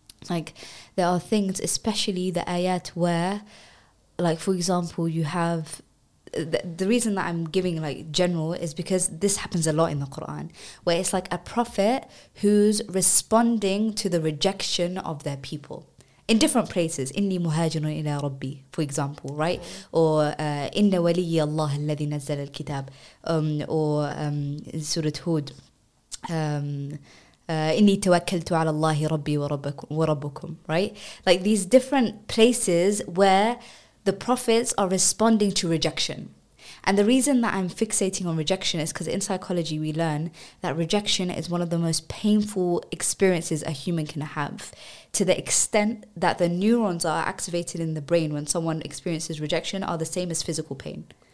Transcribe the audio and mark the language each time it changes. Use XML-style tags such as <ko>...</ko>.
<en>Like, there are things, especially the ayat where, like, for example, you have, the reason that I'm giving, like, general is because this happens a lot in the Qur'an, where it's like a prophet who's responding to the rejection of their people. In different places,</en> <ar>إِنِّي مُهَاجِنٌ إِلَىٰ رَبِّي,</ar> <en>for example, right?</en> <ar>Or إِنَّ وَلِيَّ اللَّهَ الَّذِي نَزَّلَ الْكِتَابِ,</ar> <en>or Surah Hud,</en> <ar>إِنِّي تَوَكَّلْتُ عَلَى اللَّهِ رَبِّي وَرَبُّكُمْ, right?</ar> <en>Like, these different places where the prophets are responding to rejection. And the reason that I'm fixating on rejection is because in psychology we learn that rejection is one of the most painful experiences a human can have, to the extent that the neurons that are activated in the brain when someone experiences rejection are the same as physical pain.</en>